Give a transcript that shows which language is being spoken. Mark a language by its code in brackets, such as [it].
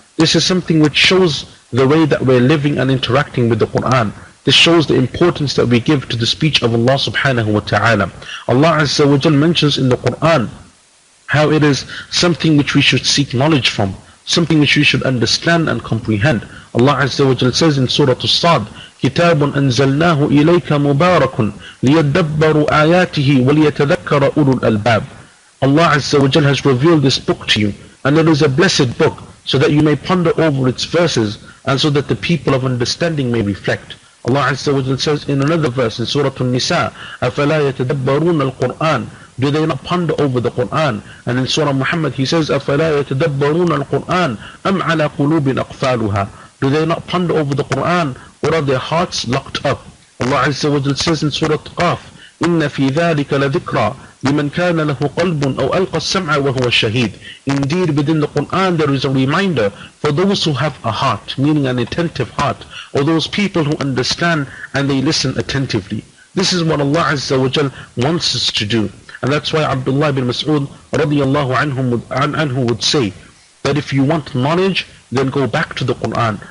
[en] This is something which shows the way that we're living and interacting with the Quran. This shows the importance that we give to the speech of Allah subhanahu wa ta'ala. Allah azza wa jal mentions in the Quran how it is something which we should seek knowledge from, something which we should understand and comprehend. Allah azza wa jal says in Surah As-Sad, [ar] كِتَابٌ أَنزَلْنَاهُ إِلَيْكَ مُبَارَكٌ لِيَدَّبَّرُوا آيَاتِهِ وَلِيَتَذَكَّرَ أُولُو الْأَلْبَابِ. [en] Allah azza wa jal has revealed this book to you, and it is a blessed book, so that you may ponder over its verses, and so that the people of understanding may reflect. Allah azza wa jal says in another verse in Surah An-Nisa, [ar] أَفَلَا يَتَدَبَّرُونَ الْقُرْآنَ. [en] Do they not ponder over the Quran? And in Surah Muhammad he says, [ar] أَفَلَا يَتَدَبَّرُونَ الْقُرْآنَ أَمْ عَلَى قُلُوبٍ أَقْفَالُهَا. [en] Do they not ponder over the Quran, or are their hearts locked up? Allah azza wa jal says in Surah Qaf, [ar] إِنَّ فِي ذَلِكَ لَذِكْرَى لِمَنْ كَانَ لَهُ قَلْبٌ أَوْ أَلْقَى السَّمْعَ وَهُوَ الشَّهِيدٌ. [en] Indeed, within the Quran there is a reminder for those who have a heart, meaning an attentive heart, or those people who understand and they listen attentively. This is what Allah azza wa jal wants us to do. And that's why Abdullah ibn Mas'ud radiallahu anhu would say that if you want knowledge, then go back to the Quran.